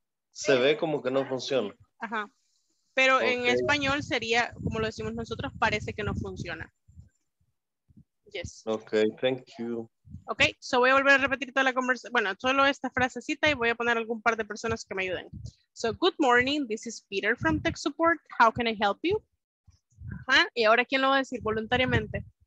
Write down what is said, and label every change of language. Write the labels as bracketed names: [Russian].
[Spanish] Se ve como que no funciona. Ajá. Pero okay, en español sería, como lo decimos nosotros, parece que no funciona. [English] Yes. Okay, thank you. [Spanish] Okay, so voy a volver a repetir toda la conversación. Bueno, solo esta frasecita y voy a poner algún par de personas que me ayuden. [English] So, good morning, this is Peter from Tech Support. How can I help you? [Spanish] Ajá, y ahora, ¿quién lo va a decir voluntariamente?